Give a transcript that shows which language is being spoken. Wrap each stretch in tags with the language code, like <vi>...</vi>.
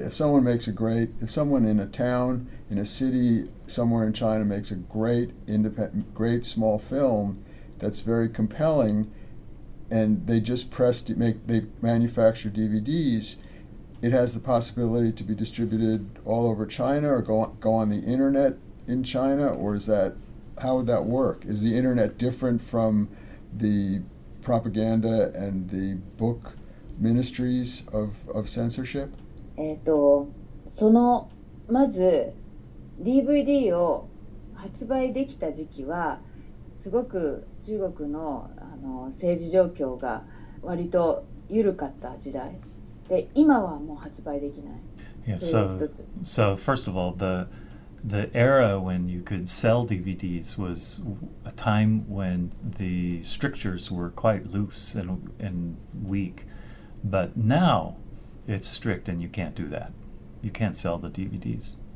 <en>If someone in a town, in a city somewhere in China makes a great independent, great small film that's very compelling, and they just press to make, they manufacture DVDs, it has the possibility to be distributed all over China or go on the internet in China, or is that, how would that work? Is the internet different from the propaganda and the book ministries of censorship?</en> <ja>そのまず DVD を発売できた時期はすごく中国の、政治状況が割と緩かった時代で、今はもう発売できない。</ja> <en>So first of all, the era when you could sell DVDs was a time when the strictures were quite loose and weak. But now it's strict and you can't do that. You can't sell the DVDs.</en>